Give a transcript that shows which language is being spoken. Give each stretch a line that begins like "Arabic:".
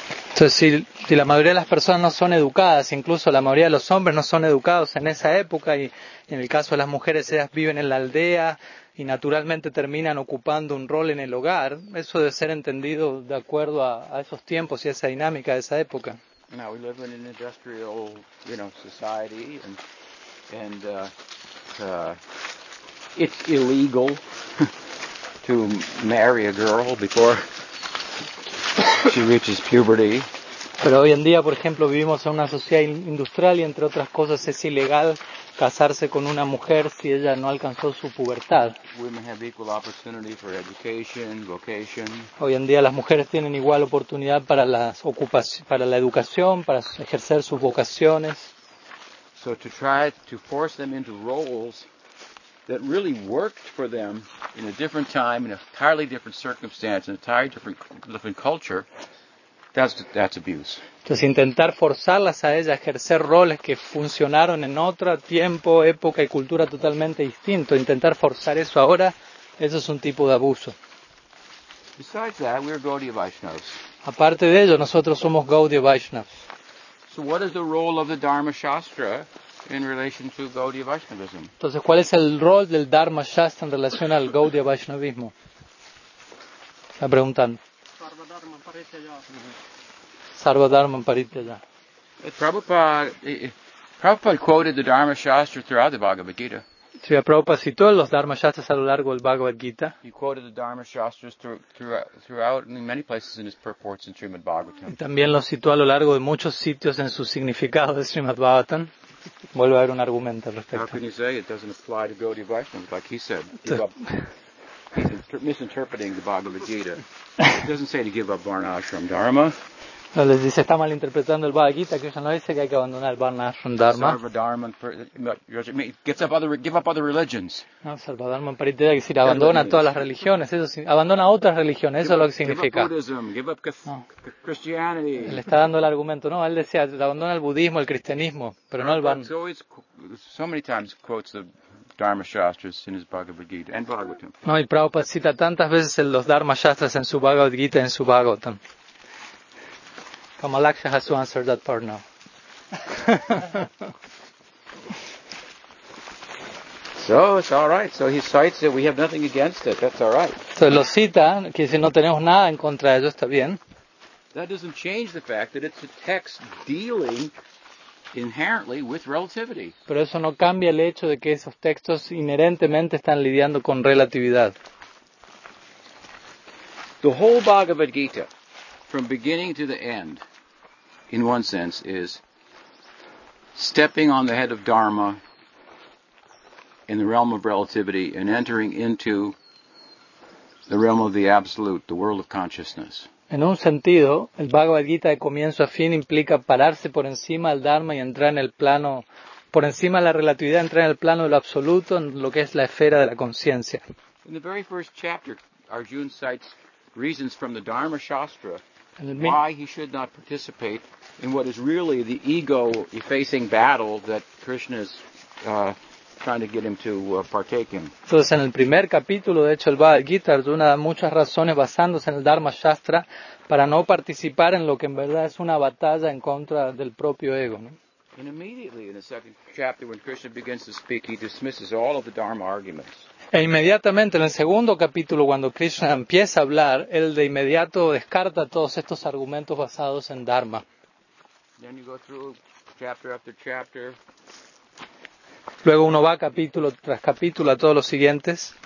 Spanish: Entonces, si la mayoría de las personas no son educadas, incluso la mayoría de los hombres no son educados en esa época, y en el caso de las mujeres, ellas viven en la aldea y naturalmente terminan ocupando un rol en el hogar, eso debe ser entendido de acuerdo a esos tiempos y a esa dinámica de esa época.
English: Now we live in an industrial, society, and it's illegal to marry a girl before she reaches puberty.
Spanish: Pero hoy en día, por ejemplo, vivimos en una sociedad industrial y entre otras cosas es ilegal casarse con una mujer si ella no alcanzó su pubertad.
English: Women have equal opportunity for education, vocation.
Spanish: Hoy en día las mujeres tienen igual oportunidad para la educación, para ejercer sus vocaciones.
English: So to try to force them into roles that really worked for them in a different time, in an entirely different circumstance, in an entirely different culture, That's abuse.
Spanish: Entonces intentar forzarlas a ellas a ejercer roles que funcionaron en otro tiempo, época y cultura totalmente distinto, intentar forzar eso ahora, eso es un tipo de abuso.
English: Besides that, we're Gaudiya Vaishnavas.
Spanish: Aparte de ello, nosotros somos Gaudiya Vaishnavas.
English: So what is the role of the Dharma Shastra in relation to Gaudiya Vaishnavism?
Spanish: Entonces, ¿cuál es el rol del Dharma Shastra en relación al Gaudiya Vaishnavismo? Está preguntando.
Sanskrit: Sarvadharma Parityaja.
English: Prabhupada quoted the Dharma Shastra throughout the Bhagavad Gita.
Spanish: Sí, Prabhupada citó los Dharma Shastras a lo largo del Bhagavad Gita.
English: He quoted the Dharma Shastras throughout many places in his purports in Srimad Bhagavatam.
Spanish: Y también los citó a lo largo de muchos sitios en su significado de Srimad Bhagavatam. Vuelve a haber un argumento al respecto.
English: How can you say it doesn't apply to Gaudiya Vaishnavas, like he said? He's misinterpreting the Bhagavad Gita. It doesn't say to give up Varnashram Dharma.
Spanish: No, les dice, está malinterpretando el Bhagavad Gita, que eso no dice que hay que abandonar el Varnashram Dharma.
English: Sarvadharma, give up other religions.
Spanish: No, Sarvadharma, Paritya, quiere decir, abandona todas las religiones. Eso, abandona otras religiones, eso es lo que significa.
English: Give up Buddhism, give up Christianity.
Spanish: Le está dando el argumento. No, él decía, abandona el budismo, el cristianismo, pero no el Varnashram.
English: So many times quotes the Dharma Shastras in his Bhagavad Gita and Bhagavatam.
Spanish: No, y Prabhupada cita tantas veces los Dharma Shastras en su Bhagavad Gita y en su Bhagavatam.
English: Kamalaksha has to answer that part now. So it's all right. So he cites it. We have nothing against it. That's all right.
Spanish: So lo cita, que si no tenemos nada en contra de ello, está bien.
English: That doesn't change the fact that it's a text dealing inherently with relativity.
Spanish: Pero eso no cambia el hecho de que esos textos inherentemente están lidiando con relatividad.
English: The whole Bhagavad Gita, from beginning to the end, in one sense, is stepping on the head of Dharma in the realm of relativity and entering into the realm of the absolute, the world of consciousness.
Spanish: En un sentido, el Bhagavad Gita de comienzo a fin implica pararse por encima del Dharma y entrar en el plano, por encima de la relatividad, entrar en el plano de lo absoluto, en lo que es la esfera de la conciencia.
English: In the very first chapter, Arjuna cites reasons from the Dharma Shastra why he should not participate in what is really the ego-effacing battle that Krishna is trying to get him to partake in.
Spanish: Entonces, en el primer capítulo, de hecho, el Bhagavad Gita, Arjuna da muchas razones basándose en el Dharma Shastra para no participar en lo que en verdad es una batalla en contra del propio ego, ¿no?
English: And immediately in the second chapter, when Krishna begins to speak, he dismisses all of the Dharma arguments.
Spanish: E inmediatamente en el segundo capítulo, cuando Krishna empieza a hablar, él de inmediato descarta todos estos argumentos basados en Dharma.
English: Then you go through chapter after chapter.
Spanish: Luego uno va capítulo tras capítulo a todos los siguientes.